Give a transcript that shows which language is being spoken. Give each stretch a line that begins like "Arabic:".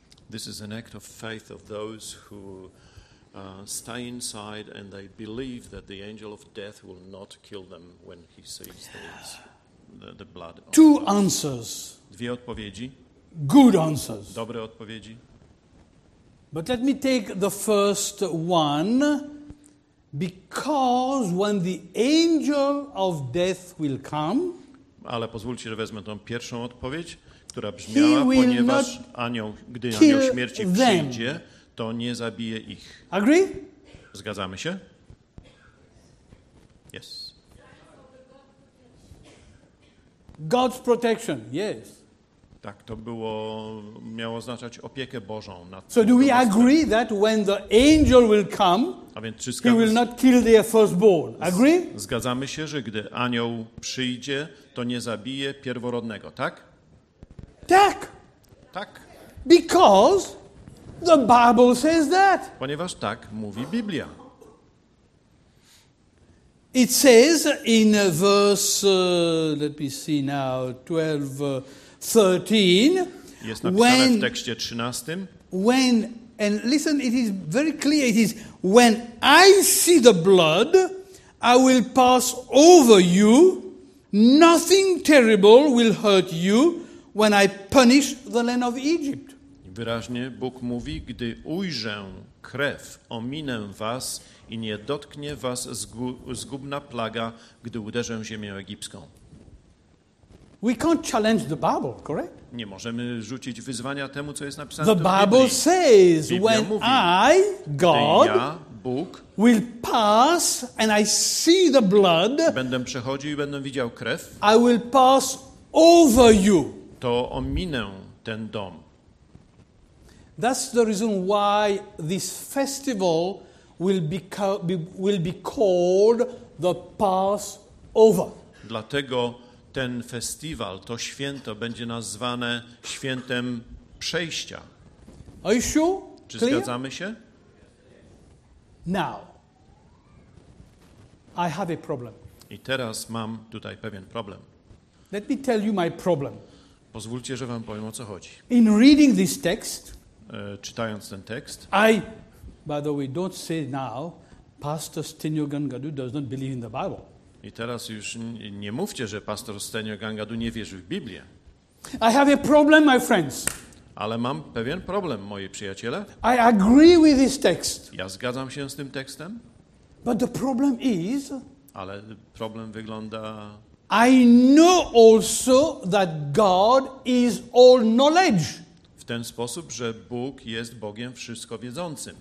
English: This is an act of faith of those who stay inside and they believe that the angel of death will not kill them when he sees the blood. Two answers.
Polish: Dwie odpowiedzi.
English: Good answers.
Polish: Dobre odpowiedzi.
English: But let me take the first one because when the angel of death will come,
Polish: ale pozwólcie, że wezmę tą pierwszą odpowiedź, która brzmiała, ponieważ anioł, gdy anioł śmierci przyjdzie, to nie zabije ich.
English: Agree?
Polish: Zgadzamy się?
English: Yes. God's protection, yes.
Polish: Tak, to było, miało oznaczać opiekę Bożą nad.
English: So do we agree that when the angel will come,
Polish: a więc czy
English: he will not kill their firstborn. Agree?
Polish: Zgadzamy się, że gdy anioł przyjdzie, to nie zabije pierworodnego, tak? Tak. Tak.
English: Because the Bible says that.
Polish: Ponieważ tak mówi Biblia.
English: It says in verse, let me see now, 12:13.
Polish: Jest napisane
English: when,
Polish: w tekście 13.
English: When, and listen, it is very clear, it is, when I see the blood, I will pass over you, nothing terrible will hurt you, when I punish the land of Egypt.
Polish: Wyraźnie Bóg mówi, gdy ujrzę krew, ominę was i nie dotknie was zgubna plaga, gdy uderzę ziemię egipską.
English: We can't challenge the Bible, correct?
Polish: Nie możemy rzucić wyzwania temu, co jest napisane
English: the
Polish: w
English: Bible
Polish: Biblii.
English: Says,
Polish: Biblia
English: when
Polish: mówi,
English: I, God,
Polish: ja, Bóg,
English: will pass and I see the blood,
Polish: będę przechodził i będę widział krew,
English: I will pass over you.
Polish: To ominę ten dom.
English: That's the reason why this festival will be called the Passover.
Polish: Dlatego ten festiwal, to święto będzie nazwane świętem przejścia.
English: Are you sure?
Polish: Czy zgadzamy się?
English: Now, I have a problem.
Polish: I teraz mam tutaj pewien problem.
English: Let me tell you my problem.
Polish: Pozwólcie, że wam powiem, o co chodzi.
English: In reading this text,
Polish: czytając ten tekst,
English: I, by the way, don't say now, Pastor Stenio Gangadu does not believe in the Bible.
Polish: I teraz już nie mówcie, że pastor Stenio Gangadu nie wierzy w Biblię.
English: I have a problem, my friends.
Polish: Ale mam pewien problem, moi przyjaciele.
English: I agree with this text.
Polish: Ja zgadzam się z tym tekstem.
English: But the problem is,
Polish: ale problem wygląda,
English: I know also that God is all knowledge.
Polish: W ten sposób, że Bóg jest Bogiem wszystko wiedzącym.